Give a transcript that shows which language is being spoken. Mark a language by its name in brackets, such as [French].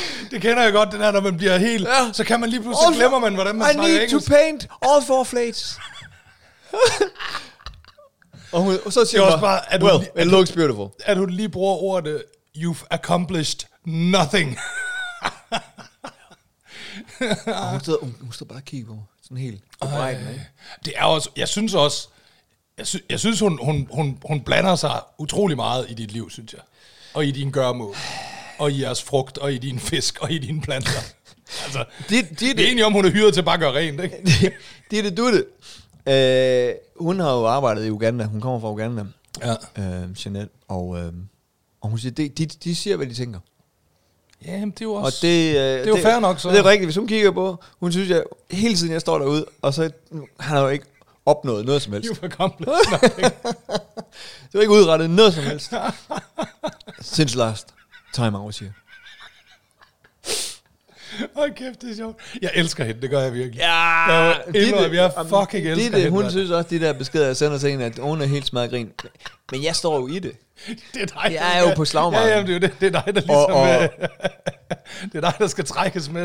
[Danish] Det kender jeg godt, den her, når man bliver helt. Ja. Så kan man lige pludselig, all glemmer man, hvordan man snakker engelsk. [English] I need to paint all four flates. [Danish] Og, hun, og så siger hun bare, at [English] well, hun, it looks beautiful. [Danish] At hun lige bruger ordet, [English] you've accomplished nothing. [Danish] hun stod bare og kigge på sådan helt. Ej, det er også, jeg synes også, jeg synes hun blander sig utrolig meget i dit liv, synes jeg. Og i din gørmål. Og i jeres frugt, og i din fisk, og i dine planter. Altså, det er egentlig om, hun er hyret til bare at gøre rent, ikke? Det er det, du det. Hun har jo arbejdet i Uganda. Hun kommer fra Uganda. Ja. Jeanette. Og hun siger, de siger, hvad de tænker. Ja, jamen, det er jo også... Og det er jo fair nok, så. Det er rigtigt. Hvis hun kigger på, hun synes, jeg hele tiden, jeg står derude, og så han har jo ikke opnået noget som helst. [English] You've accomplished nothing. [Danish] Du har ikke udrettet noget som helst. [English] Since last time I was here. [Danish] Hold kæft, det er sjovt. Jeg elsker hende, det gør jeg virkelig. Ja, jeg fucking elsker hende. Hun synes også, de der beskeder, jeg sender til hende, at hun er helt smadret grin. Men jeg står jo i det. Det er dig. Jeg er jo på slagmarken. Ja, jamen, det er dig, der ligesom... det er dig, der skal trækkes med.